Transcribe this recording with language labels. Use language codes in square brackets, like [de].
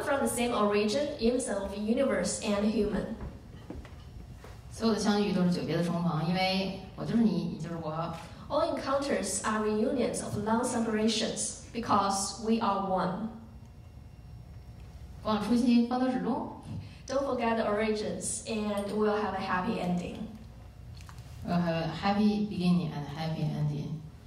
[en] Same origin, himself, universe, and human. [zh] 所有的相遇都是久别的重逢，因为我就是你，你就是我。 [en] All encounters are reunions of long separations because we are one. [zh] 不忘初心，方得始终。 [en] Don't forget the origins, and we'll have a happy ending. We'll have a happy beginning and a happy ending.